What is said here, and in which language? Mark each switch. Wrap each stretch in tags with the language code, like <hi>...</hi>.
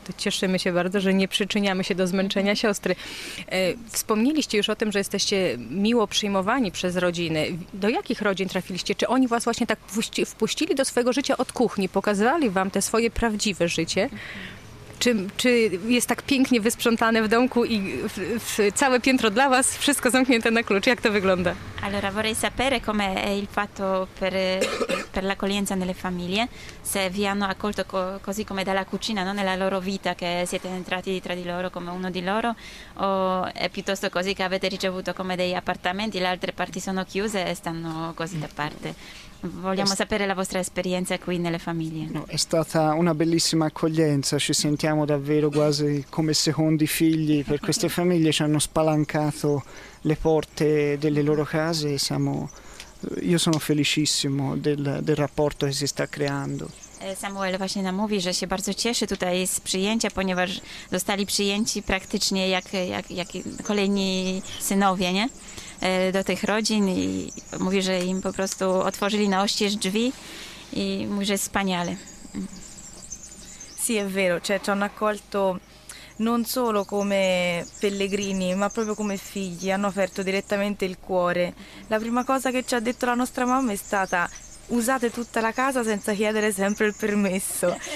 <pl>To cieszymy się bardzo, że nie przyczyniamy się do zmęczenia siostry. Wspomnieliście już o tym, że jesteście miło przyjmowani przez rodziny. Do jakich rodzin trafiliście? Czy oni was właśnie tak wpuścili do swojego życia od kuchni? Pokazywali wam te swoje prawdziwe życie? Czy jest tak pięknie wysprzątane w domku i całe piętro dla was, wszystko zamknięte na klucz? Jak to wygląda?</pl> <it>Allora, vorrei sapere come è il fatto per l'accoglienza nelle famiglie, se vi hanno accolto così come dalla cucina, no? Nella loro vita, che siete entrati tra di loro come uno di loro, o è piuttosto così che avete ricevuto come dei appartamenti, le altre parti sono chiuse e stanno così da parte. Vogliamo sapere la vostra esperienza qui nelle famiglie. No, è stata una bellissima accoglienza, ci sentiamo davvero quasi come secondi figli per queste famiglie, ci hanno spalancato le porte delle loro case e io sono felicissimo del rapporto che si sta creando.</it> <pl>Samuel właśnie nam mówi, że się bardzo cieszy tutaj z przyjęcia, ponieważ zostali przyjęci praktycznie jak kolejni synowie, nie? Do tych rodzin i mówi, że im po prostu otworzyli na oścież drzwi i mówi, że jest wspaniale.</pl> <it>Sì, è vero, cioè ci hanno accolto non solo come pellegrini, ma proprio come figli, hanno aperto direttamente il cuore. La prima cosa che ci ha detto la nostra mamma è stata: usate tutta la casa senza chiedere sempre il permesso.</it>